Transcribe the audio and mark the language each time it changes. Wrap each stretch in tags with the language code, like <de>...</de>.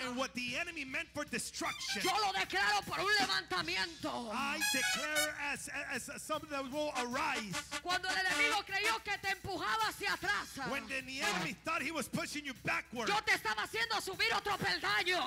<en>And what the enemy meant for destruction.</en> <es>Yo lo declaro por un levantamiento.</es> <en>I declare as something that will arise.</en> <es>Cuando el enemigo creyó que te empujaba hacia atrás.</es> <en>When the enemy thought he was pushing you backward.</en> <es>Yo te estaba haciendo subir otro peldaño.</es>